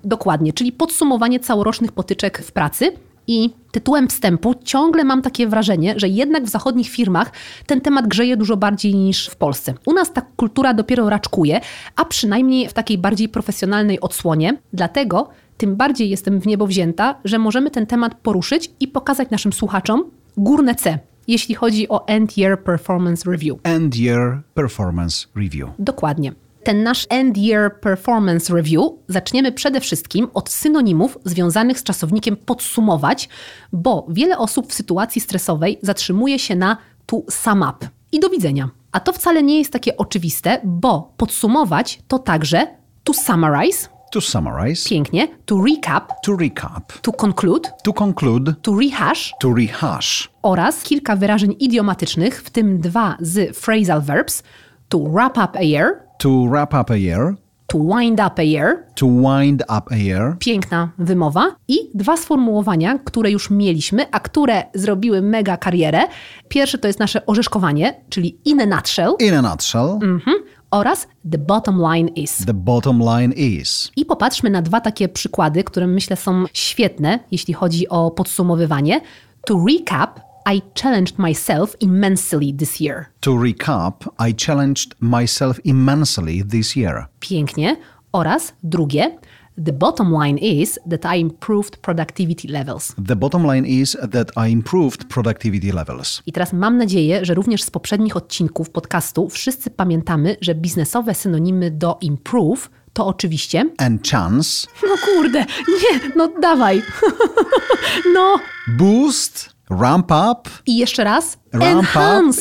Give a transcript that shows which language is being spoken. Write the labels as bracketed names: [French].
[Polish] Dokładnie, czyli podsumowanie całorocznych potyczek w pracy. I tytułem wstępu ciągle mam takie wrażenie, że jednak w zachodnich firmach ten temat grzeje dużo bardziej niż w Polsce. U nas ta kultura dopiero raczkuje, a przynajmniej w takiej bardziej profesjonalnej odsłonie. Dlatego tym bardziej jestem w niebo wzięta, że możemy ten temat poruszyć i pokazać naszym słuchaczom górne C, jeśli chodzi o [English] end-year performance review. End-year performance review. [Polish] Dokładnie. Ten nasz [English] end-year performance review [Polish] zaczniemy przede wszystkim od synonimów związanych z czasownikiem podsumować, bo wiele osób w sytuacji stresowej zatrzymuje się na to [English] sum up [Polish] i do widzenia. A to wcale nie jest takie oczywiste, bo podsumować to także [English] to summarize. To summarize. [Polish] Pięknie. [English] To recap. To recap. To conclude. To conclude. To rehash. To rehash. [Polish] Oraz kilka wyrażeń idiomatycznych, w tym dwa z phrasal verbs. [English] To wrap up a year. To wrap up a year. To wind up a year. To wind up a year. [Polish] Piękna wymowa. I dwa sformułowania, które już mieliśmy, a które zrobiły mega karierę. Pierwsze to jest nasze orzeszkowanie, czyli [English] in a nutshell. In a nutshell. Mhm. [Polish] Oraz [English] the bottom line is. The bottom line is. [Polish] I popatrzmy na dwa takie przykłady, które myślę są świetne, jeśli chodzi o podsumowywanie. [English] To recap, I challenged myself immensely this year. To recap, I challenged myself immensely this year. [Polish] Pięknie. Oraz drugie. [English] The bottom line is that I improved productivity levels. The bottom line is that I improved productivity levels. [Polish] I teraz mam nadzieję, że również z poprzednich odcinków podcastu wszyscy pamiętamy, że biznesowe synonimy do improve to oczywiście... [English] And chance. [Polish] No kurde, nie, no dawaj. No. [English] Boost. Ramp up. [Polish] I jeszcze raz. [English] Ramp enhance.